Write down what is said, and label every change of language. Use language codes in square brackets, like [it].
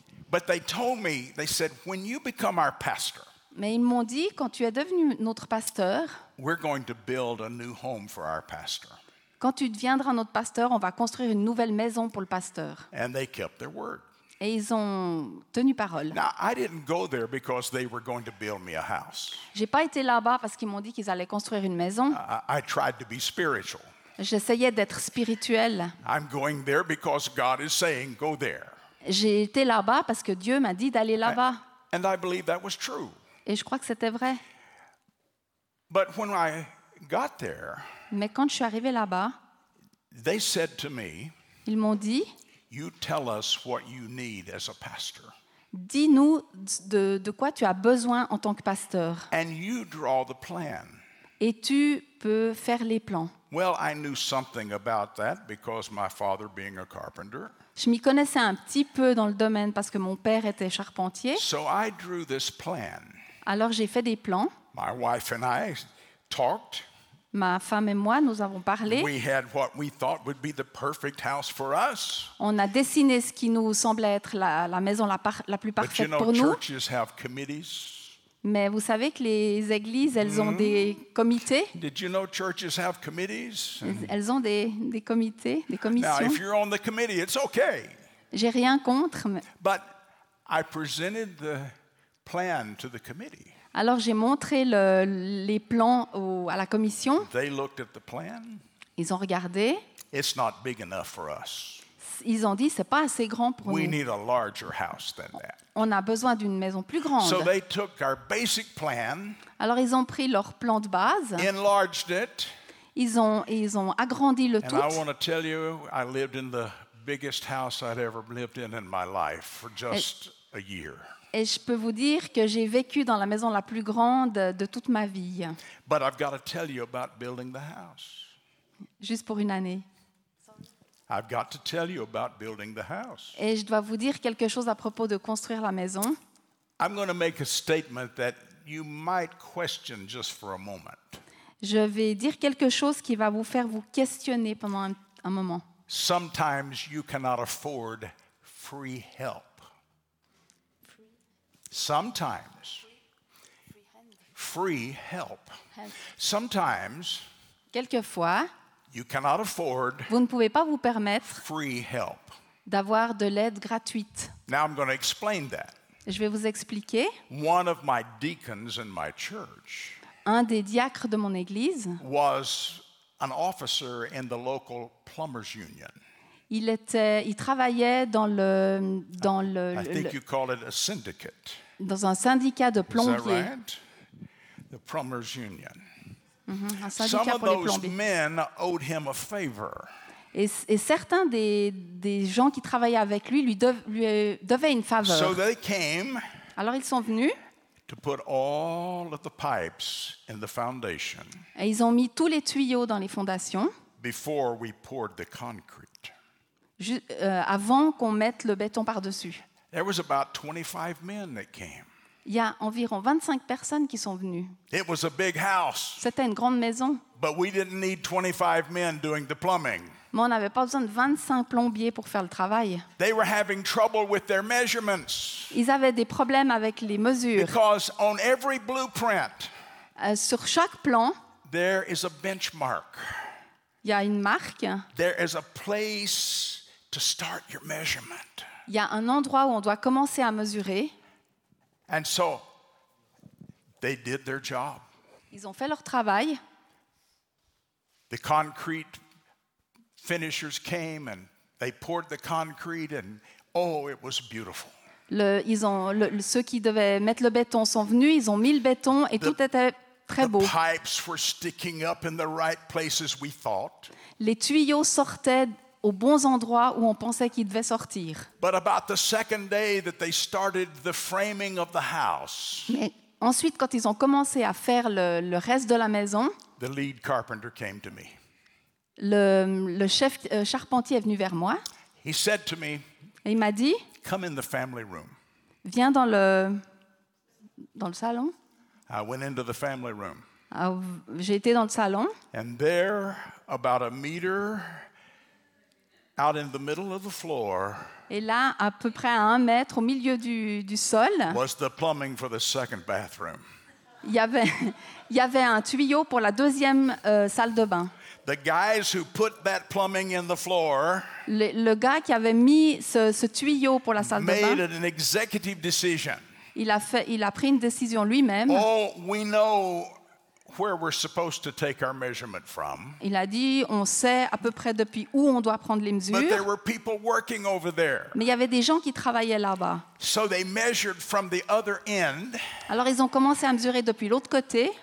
[en] But they told me, they said, when you become our pastor, [fr] mais ils m'ont dit, quand tu es devenu notre pasteur, [en] we're going to build a new home for our pastor. [fr] Quand tu deviendras notre pasteur, on va construire une nouvelle maison pour le pasteur. [en] And they kept their word. [fr] Et ils ont tenu parole. [en] Now, I didn't go there because they were going to build me a house. [fr] J'ai pas été là-bas parce qu'ils m'ont dit qu'ils allaient construire une maison. [en] I tried to be spiritual. [fr] J'essayais d'être spirituel. [en] I'm going there because God is saying, go there. [fr] J'ai été là-bas parce que Dieu m'a dit d'aller là-bas. [en] And I believe that was true. [fr] Et je crois que c'était vrai. [en] But when I got there, [fr] mais quand je suis arrivé là-bas, [en] they said to me, [fr] ils m'ont dit, [en] you tell us what you need as a pastor. [fr] Dis-nous de quoi tu as besoin en tant que pasteur. [en] And you draw the plan. [fr] Et tu peux faire les plans. [en] Well, I knew something about that because my father being a carpenter. [fr] Je m'y connaissais un petit peu dans le domaine parce que mon père était charpentier. [en] So I drew this plan. [fr] Alors j'ai fait des plans. [en] My wife and I talked. [fr] Ma femme et moi, nous avons parlé. [en] We had what we thought would be the perfect house for us. [fr] On a dessiné ce qui nous semblait être la maison la plus parfaite [en] But you [fr] pour nous. [en] Churches have committees. [fr] Mais vous savez que les églises, elles ont des comités. [en] Did you know churches have committees? [fr] Elles ont des comités, des commissions. [en] Now, if you're on the committee, it's okay. [fr] J'ai rien contre. Mais... [en] But I presented the plan to the committee. [fr] Alors j'ai montré les plans à la commission. [en] They looked at the plan. [fr] Ils ont regardé. [en] It's not big enough for us. [fr] Ils ont dit c'est pas assez grand pour [en] We [fr] nous. [en] We need a larger house than that. [fr] On a besoin d'une maison plus grande. [en] So they took our basic plan, [fr] alors ils ont pris leur plan de base. [en] Enlarged it, [fr] ils ont agrandi le tout. [en] And I want to tell you, I lived in the biggest house I'd ever lived in my life for just a year. [fr] Et je peux vous dire que j'ai vécu dans la maison la plus grande de toute ma vie. [en] But I've got to tell you about building the house. [fr] Juste pour une année. [en] I've got to tell you about building the house. [fr] Et je dois vous dire quelque chose à propos de construire la maison. [en] I'm going to make a statement that you might question just for a moment. [fr] Je vais dire quelque chose qui va vous faire vous questionner pendant un moment. [en] Sometimes you cannot afford free help. Sometimes, free help. Sometimes, [fr] quelquefois, [en] you cannot afford [fr] vous ne pouvez pas vous permettre [en] free help. [fr] D'avoir de l'aide gratuite. [en] Now I'm going to explain that. [fr] Je vais vous expliquer. [en] One of my deacons in my church [fr] un des diacres de mon église [en] was an officer in the local plumbers union. [fr] Il travaillait dans un syndicat de plombiers. [en] Right? The plumbers union. [fr] Mm-hmm, un syndicat [en] Some [fr] les plombiers. [en] Men owed him a favor. [fr] Et certains des gens qui travaillaient avec lui devaient une faveur. [en] So they came [fr] alors ils sont venus. [en] To put all of the pipes in the foundation. [fr] Et ils ont mis tous les tuyaux dans les fondations. [en] Before we poured the concrete. [fr] Avant qu'on mette le béton par-dessus. [en] There was about 25 men that came. [fr] Il y a environ 25 personnes qui sont venues. [en] It was a big house. [fr] C'était une grande maison. [en] But we didn't need 25 men doing the plumbing. [fr] Mais on n'avait pas besoin de 25 plombiers pour faire le travail. [en] They were having trouble with their measurements. [fr] Ils avaient des problèmes avec les mesures. [en] Because on every blueprint, [fr] sur chaque plan, [en] there is a benchmark. [fr] Il y a une marque. [en] There is a place to start your measurement. [fr] Il y a un endroit où on doit commencer à mesurer. [en] And so, they did their job. [fr] Ils ont fait leur travail. [en] The concrete finishers came and they poured the concrete and oh, it was beautiful. [fr] Ceux qui devaient mettre le béton sont venus, ils ont mis le béton et tout était très beau. [en] The pipes were sticking up in the right places we thought. [fr] Les tuyaux sortaient aux bons endroits où on pensait qu'ils devaient sortir. [en] But about the second day that they started the framing of the house. [fr] Mais ensuite, quand ils ont commencé à faire le reste de la maison, [en] the lead carpenter came to me. [fr] Le chef charpentier est venu vers moi. [en] He said to me, [fr] et il m'a dit, [en] come in the family room. [fr] Viens dans le salon. [en] I went into the family room. [fr] J'ai été dans le salon. [en] And there, about a meter out in the middle of the floor, [fr] et là, à peu près à un mètre au milieu du sol, [en] was the plumbing for the second bathroom. [fr] Il y avait un tuyau pour la deuxième salle de bain. [en] The guys who put that plumbing in the floor, [fr] le gars qui avait mis ce tuyau pour la salle de bain, [en] made an executive decision. [fr] Il a pris une décision lui-même. [en] Oh, we know where we're supposed to take our measurement from. [fr] Il a dit, on sait à peu près depuis où on doit prendre les mesures. [en] But there were people working over there. [fr] Mais il y avait des gens qui travaillaient là-bas. [en] So they measured from the other end. [fr] Alors ils ont commencé à mesurer depuis l'autre côté.